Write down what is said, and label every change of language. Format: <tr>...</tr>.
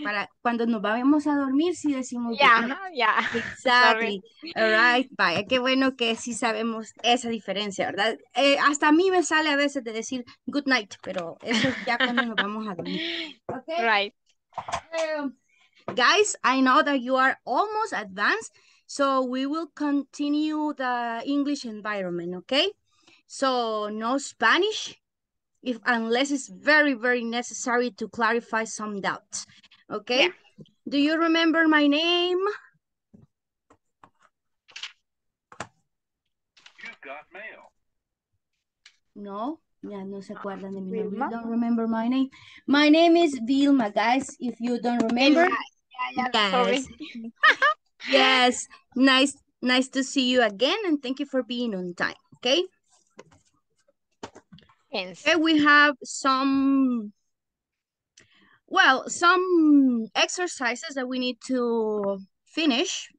<es>Para cuando nos vamos a dormir, sí decimos</es> <en>yeah, good night. Yeah. Exactly. All right.</en> <es>Vaya, qué bueno que sí sabemos esa diferencia, ¿verdad? Hasta a mí me sale a veces de decir</es> <en>good night,</en> <es>pero eso es ya cuando nos vamos a dormir.</es> <en>Okay. Right. Guys, I know that you are almost advanced, so we will continue the English environment, okay? So no Spanish, if unless it's very, very necessary to clarify some doubts, okay? Yeah. Do you remember my name? You've got mail.</en> <es>No, yeah, no se acuerdan de mi nombre.</es> <en>You don't remember my name. My name is Vilma, guys, if you don't remember. Yeah, sorry. Nice to see you again, and thank you for being on time, okay? Yes. Okay, we have some, well, some exercises that we need to finish.</en>